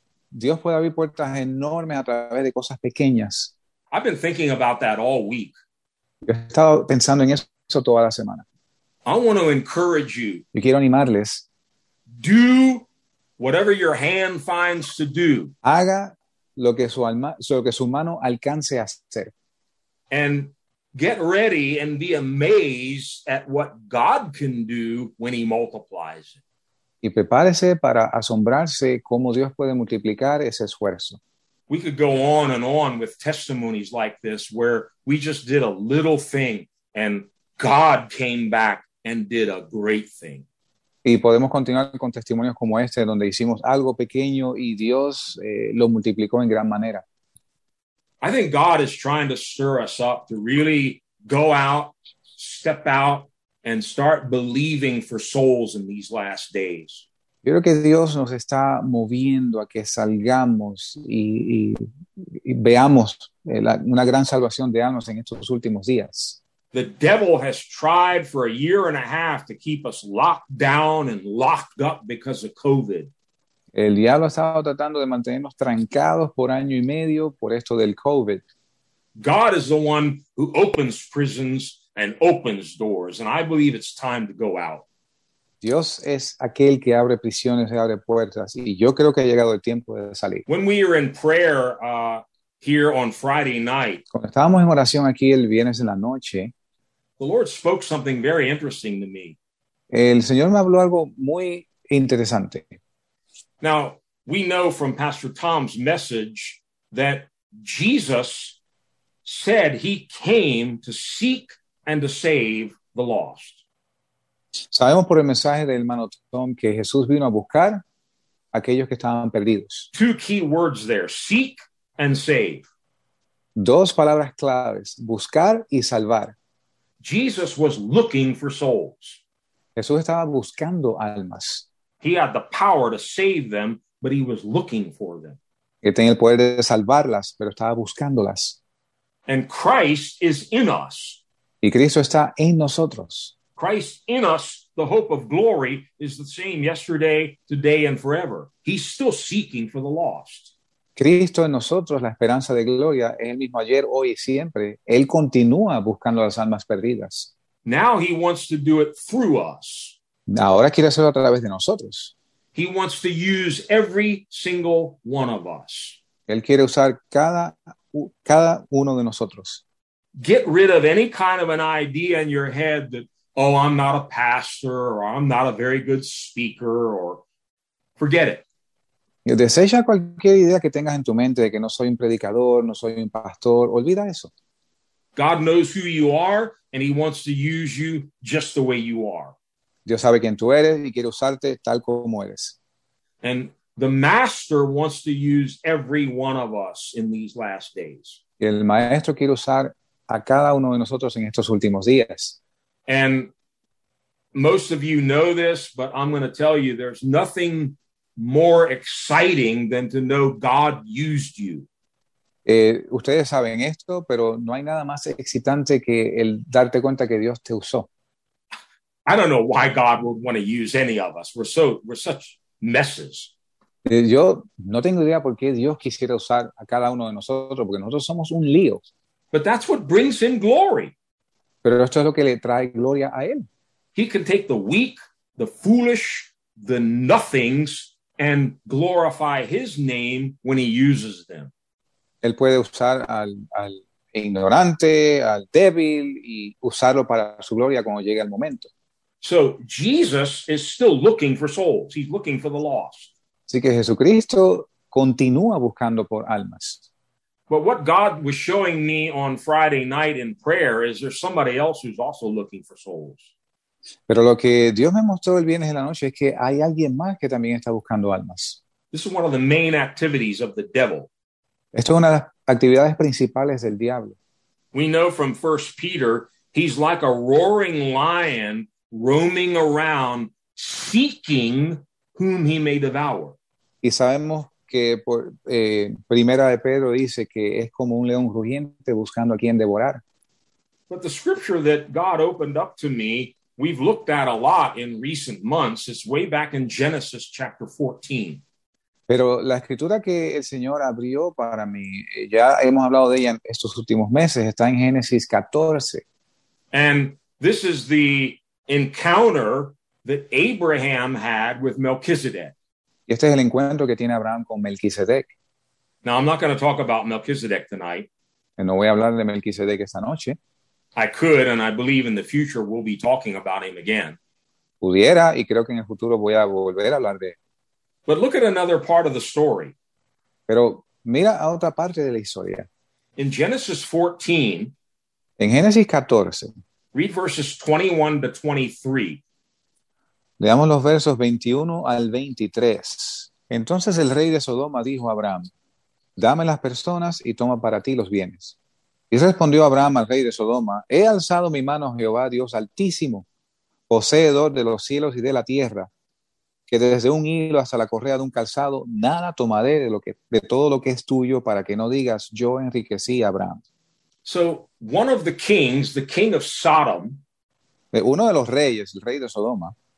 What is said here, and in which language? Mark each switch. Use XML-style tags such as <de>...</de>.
<es>Dios puede abrir puertas enormes a través de cosas pequeñas.</es> <en>I've been thinking about that all week.</en> <es>Yo he estado pensando en eso toda la semana.</es> <en>I want to encourage you.</en> <es>Yo quiero animarles.</es> <en>Do whatever your hand finds to do.</en> <es>Haga lo que su alma, lo que su mano alcance a hacer.</es> <en>And get ready and be amazed at what God can do when he multiplies it.</en> <es>Y prepárese para asombrarse cómo Dios puede multiplicar ese esfuerzo.</es> <en>We could go on and on with testimonies like this where we just did a little thing and God came back and did a great thing.</en> <es>Y podemos continuar con testimonios como este, donde hicimos algo pequeño y Dios lo multiplicó en gran manera.</es> <en>I think God is trying to stir us up to really go out, step out, and start believing for souls in these last days.</en> <es>Yo creo que Dios nos está moviendo a que salgamos y veamos una gran salvación de almas en estos últimos días.</es> <en>The devil has tried for a year and a half to keep us locked down and locked up because of COVID.</en> <es>El diablo ha estado tratando de mantenernos trancados por año y medio por esto del COVID.</es> <en>God is the one who opens prisons and opens doors, and I believe it's time to go out.</en> <es>Dios es aquel que abre prisiones y abre puertas, y yo creo que ha llegado el tiempo de salir.</es> <en>When we are in prayer here on Friday night,</en> <es>cuando estábamos en oración aquí el viernes en la noche,</es> <en>the Lord spoke something very interesting to me.</en> <es>El Señor me habló algo muy interesante.</es> <en>Now, we know from Pastor Tom's message that Jesus said he came to seek and to save the lost.</en> <es>Sabemos por el mensaje del hermano Tom que Jesús vino a buscar a aquellos que estaban perdidos.</es> <en>Two key words there, seek and save.</en> <es>Dos palabras claves, buscar y salvar.</es> <en>Jesus was looking for souls.</en> <es>Jesús estaba buscando almas.</es> <en>He had the power to save them, but he was looking for them.</en> <es>Él tenía el poder de salvarlas, pero estaba buscándolas.</es> <en>And Christ is in us.</en> <es>Y Cristo está en nosotros.</es> <en>Christ in us, the hope of glory, is the same yesterday, today, and forever. He's still seeking for the lost.</en> <es>Cristo en nosotros, la esperanza de gloria, es el mismo ayer, hoy y siempre. Él continúa buscando las almas perdidas.</es> <en>Now he wants to do it through us.</en> <es>Ahora quiere hacerlo a través de nosotros.</es> <en>He wants to use every single one of us.</en> <es>Él quiere usar cada uno de nosotros.</es> <en>Get rid of any kind of an idea in your head that, oh, I'm not a pastor, or I'm not a very good speaker, or forget it.</en> <es>Desecha cualquier idea que tengas en tu mente de que no soy un predicador, no soy un pastor. Olvida eso.</es> <en>God knows who you are, and he wants to use you just the way you are.</en> <es>Dios sabe quién tú eres y quiere usarte tal como eres.</es> <en>And the master wants to use every one of us in these last days.</en> <es>El maestro quiere usar a cada uno de nosotros en estos últimos días.</es> <en>And most of you know this, but I'm going to tell you, there's nothing more exciting than to know God used you.</en> <es>Ustedes saben esto, pero no hay nada más excitante que el darte cuenta que Dios te usó.</es> <en>I don't know why God would want to use any of us. We're such messes.</en> <es>Yo no tengo idea por qué Dios quisiera usar a cada uno de nosotros, porque nosotros somos un lío.</es> <en>But that's what brings him glory.</en> <es>Pero esto es lo que le trae gloria a él.</es> <en>He can take the weak, the foolish, the nothings, and glorify his name when he uses them.</en> <es>Él puede usar al ignorante, al débil, y usarlo para su gloria cuando llegue el momento.</es> <en>So Jesus is still looking for souls. He's looking for the lost.</en> <es>Así que Jesucristo continúa buscando por almas.</es> <en>But what God was showing me on Friday night in prayer is there's somebody else who's also looking for souls.</en> <es>Pero lo que Dios me mostró el viernes en la noche es que hay alguien más que también está buscando almas.</es> <en>This is one of the main activities of the devil.</en> <es>Esto es una de las actividades principales del diablo.</es> <en>We know from 1 Peter, he's like a roaring lion roaming around seeking whom he may devour.</en> <es>Y sabemos que por primera de Pedro dice que es como un león rugiente buscando a quien devorar.</es> <en>But the scripture that God opened up to me, we've looked at a lot in recent months, is way back in Genesis chapter 14.</en> <es>Pero la escritura que el Señor abrió para mí, ya hemos hablado de ella en estos últimos meses, está en Génesis 14.</es> <en>And this is the encounter that Abraham had with Melchizedek.</en> <es>Y este es el encuentro que tiene Abraham con Melquisedec.</es> <en>Now, I'm not going to talk about Melquisedec tonight.</en> <es>No voy a hablar de Melquisedec esta noche.</es> <en>I could, and I believe in the future we'll be talking about him again.</en> <es>Pudiera, y creo que en el futuro voy a volver a hablar de él.</es> <en>But look at another part of the story.</en> <es>Pero mira a otra parte de la historia.</es> <en>In Genesis 14.</en> <es>En Génesis 14.</es> <en>Read verses 21 to 23.</en> <es>Leamos los versos 21 al 23. Entonces el rey de Sodoma dijo a Abraham, dame las personas y toma para ti los bienes. Y respondió Abraham al rey de Sodoma, he alzado mi mano a Jehová Dios Altísimo, poseedor de los cielos y de la tierra, que desde un hilo hasta la correa de un calzado, nada tomaré de todo lo que es tuyo para que no digas, yo enriquecí a Abraham.</es> <en>So, one of the kings, the king of Sodom,</en> <es>uno de los reyes, el rey de Sodoma,</es>